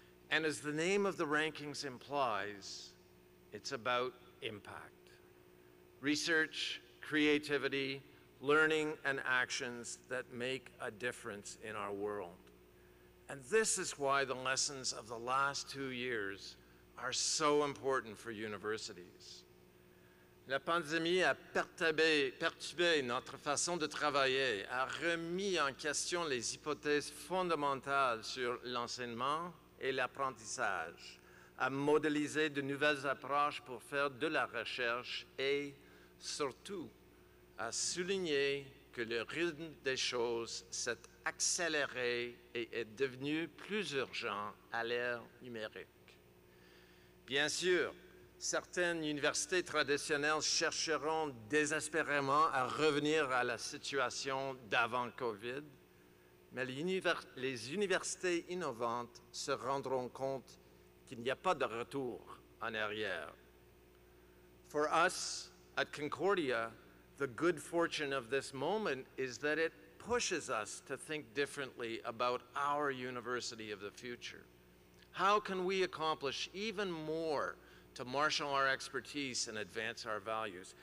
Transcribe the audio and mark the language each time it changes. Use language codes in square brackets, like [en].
[en] And as the name of the rankings implies, it's about impact. Research, creativity, learning, and actions that make a difference in our world. And this is why the lessons of the last 2 years are so important for universities. [fr] La pandémie a perturbé notre façon de travailler, a remis en question les hypothèses fondamentales sur l'enseignement et l'apprentissage, a modélisé de nouvelles approches pour faire de la recherche et, surtout, a souligné que le rythme des choses s'est accéléré et est devenu plus urgent à l'ère numérique. Bien sûr, certaines universités traditionnelles chercheront désespérément à revenir à la situation d'avant COVID, mais les universités innovantes se rendront compte qu'il n'y a pas de retour en arrière. [en] For us at Concordia, the good fortune of this moment is that it pushes us to think differently about our university of the future. How can we accomplish even more to marshal our expertise and advance our values?